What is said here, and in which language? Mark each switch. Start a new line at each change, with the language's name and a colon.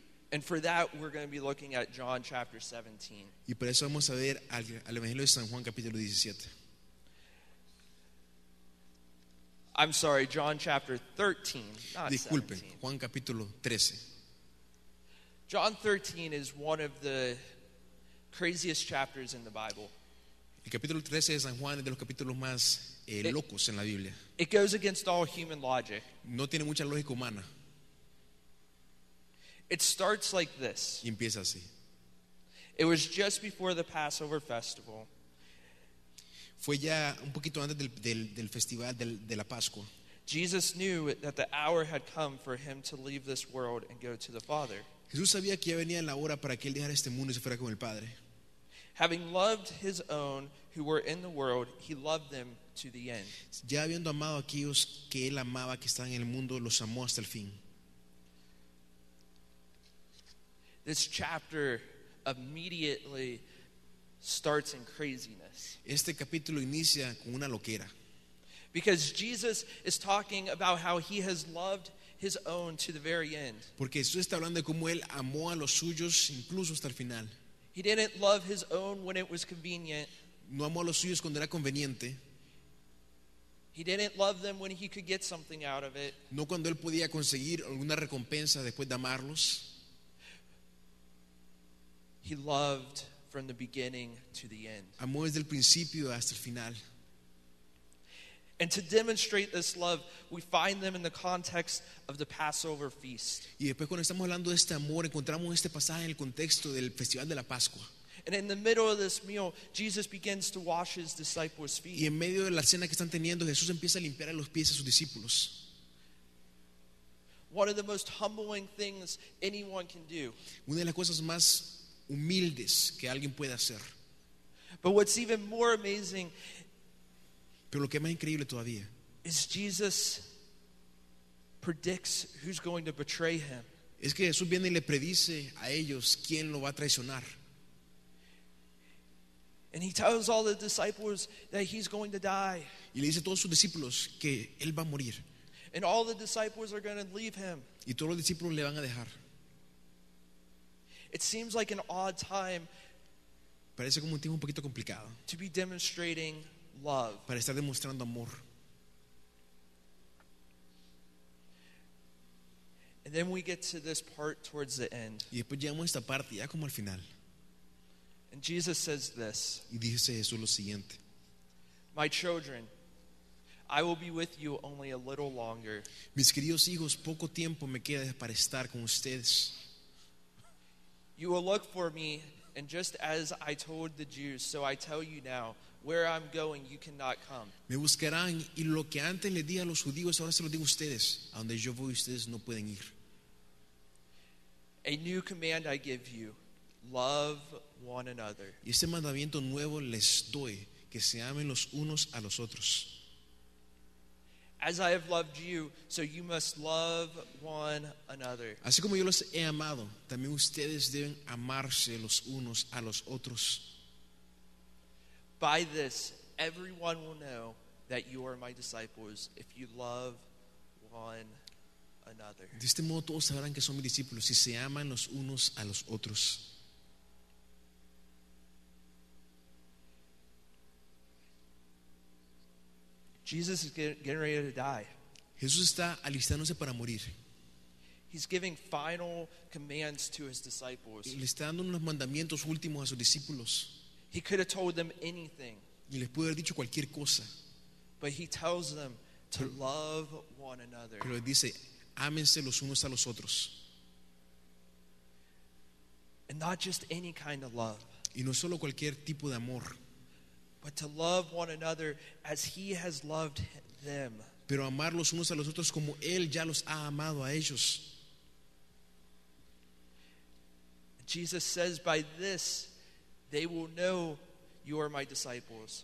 English: And for that, we're going to be looking at John chapter 17.
Spanish: Y por eso vamos a ver al Evangelio de San Juan capítulo 17.
English: I'm sorry, John chapter 13, not
Spanish: Disculpe,
English: 17.
Spanish: Juan capítulo 13.
English: John 13 is one of the craziest chapters in the Bible.
Spanish: El capítulo 13 de San Juan es de los capítulos más locos en la Biblia.
English: It goes against all human logic.
Spanish: No tiene mucha lógica humana.
English: It starts like this.
Spanish: Empieza así.
English: It was just before the Passover festival.
Spanish: Fue ya un poquito antes del festival de la Pascua.
English: Jesus knew that the hour had come for him to leave this world and go to the Father.
Spanish: Jesús sabía que ya venía la hora para que él dejara este mundo y se fuera con el Padre.
English: Having loved his own who were in the world, he loved them to the end.
Spanish: Ya habiendo amado a aquellos que él amaba que estaban en el mundo, los amó hasta el fin.
English: This chapter immediately starts in craziness.
Spanish: Este capítulo inicia con una loquera.
English: Because Jesus is talking about how he has loved his own to the very end.
Spanish: Porque Jesús está hablando de cómo él amó a los suyos incluso hasta el final.
English: He didn't love his own when it was convenient.
Spanish: No amó a los suyos cuando era conveniente.
English: He didn't love them when he could get something out of it.
Spanish: No cuando él podía conseguir alguna recompensa después de amarlos.
English: He loved from the beginning to the end.
Spanish: Amó desde el principio hasta el final.
English: And to demonstrate this love, we find them in the context of the Passover feast.
Spanish: Y después cuando estamos hablando de este amor, encontramos este pasaje en el contexto del festival de la Pascua.
English: And in the middle of this meal, Jesus begins to wash his disciples' feet.
Spanish: Y en medio de la cena que están teniendo, Jesús empieza a limpiar los pies a sus discípulos.
English: One of the most humbling things anyone can do.
Spanish: Una de las cosas más humildes que alguien puede hacer.
English: But what's even more amazing.
Spanish: Pero lo que es más increíble todavía.
English: Is Jesus predicts who's going to betray him.
Spanish: Es que Jesús viene y le predice a ellos quién lo va a traicionar.
English: And he tells all the disciples that he's going to die.
Spanish: Y le dice a todos sus discípulos que él va a morir.
English: And all the disciples are going to leave him.
Spanish: Y todos los discípulos le van a dejar.
English: It seems like an odd time.
Spanish: Parece como un tiempo un poquito complicado.
English: To be demonstrating love.
Spanish: Para estar demostrando amor.
English: And then we get to this part towards the end.
Spanish: Y después llegamos a esta parte ya como al final.
English: And Jesus says this.
Spanish: Y dice Jesús lo siguiente.
English: My children, I will be with you only a little longer.
Spanish: Mis queridos hijos, poco tiempo me queda para estar con ustedes.
English: You will look for me, and just as I told the Jews, so I tell you now, where I'm going, you cannot come.
Spanish: Me buscarán, y lo que antes le di a los judíos, ahora se lo digo a ustedes. A donde yo voy, ustedes no pueden ir.
English: A new command I give you. Love one another.
Spanish: Y este mandamiento nuevo les doy, que se amen los unos a los otros.
English: As I have loved you, so you must love one another.
Spanish: Así como yo los he amado, también ustedes deben amarse los unos a los otros.
English: By this, everyone will know that you are my disciples if you love one another.
Spanish: De este modo todos sabrán que son mis discípulos si se aman los unos a los otros.
English: Jesus is getting ready to die.
Spanish: Jesús está alistándose para morir.
English: He's giving final commands to his disciples.
Spanish: Y le está dando unos mandamientos últimos a sus discípulos.
English: He could have told them anything.
Spanish: Y les pudo haber dicho cualquier cosa.
English: But he tells them to love one another.
Spanish: Pero dice, ámense los unos a los otros.
English: And not just any kind of love.
Spanish: Y no solo cualquier tipo de amor.
English: But to love one another as he has loved them.
Spanish: Pero amar los unos a los otros como él ya los ha amado a ellos.
English: Jesus says, by this they will know you are my disciples.